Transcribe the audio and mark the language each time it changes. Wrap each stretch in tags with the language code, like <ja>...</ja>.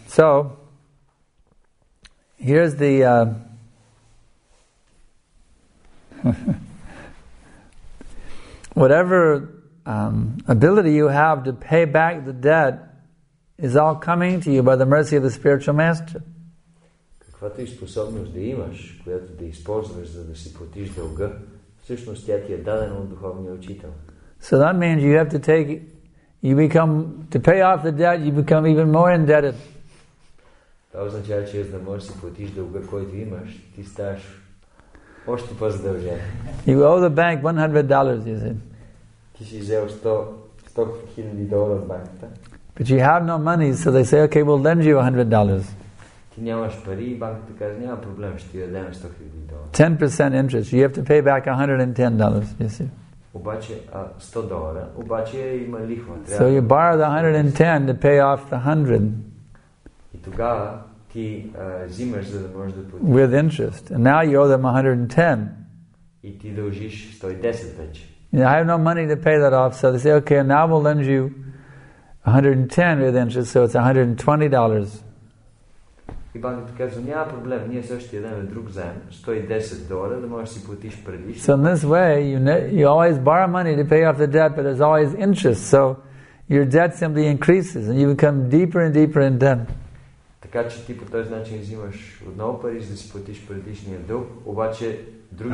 <en>So, here's the... whatever ability you have to pay back the debt is all coming to you by the mercy of the spiritual master.</en> <bg>Каквато и способност да имаш, която да използваш, за да си платиш дълга, всъщност тя ти е дадена от духовния учител.</bg> <en>So that means you have to take, you become, to pay off the debt, you become even more indebted.</en> <bg>Това означава, че за да можеш да си платиш дълга, който имаш, ти ставаш още по-задължен.</bg> <en>You owe the bank $100, you said.</en> <bg>Ти си взел 100,000 долара в банката.</bg> <en>But you have no money, so they say, okay, we'll lend you $100.</en> <bg>Ти нямаш пари, банката каже, няма проблем, ще ти дадем 100,000 долара.</bg> <en>10% interest, you have to pay back $110, you see.</en> <bg>Обаче, 100 долара, обаче има лихва.</bg> <en>So you borrow the 110 to pay off the 100.</en> <bg>И тогава ти взимаш, за да можеш да платиш.</bg> <en>With interest. And now you owe them 110.</en> <bg>И ти дължиш 110 вече.</bg> <en>You know, I have no money to pay that off, so they say, okay, now we'll lend you 110 with interest, so it's $120.</en> <bg>И банката казва, няма проблем, ние също ще дадем друг заем, 110 долара, да можеш да си платиш предишно.</bg> <en>So in this way, you always borrow money to pay off the debt, but there's always interest. So your debt simply increases, and you become deeper and deeper in debt.</en> <bg>Така че ти по този начин взимаш отново пари, за да си платиш предишния дълг, обаче други...</bg>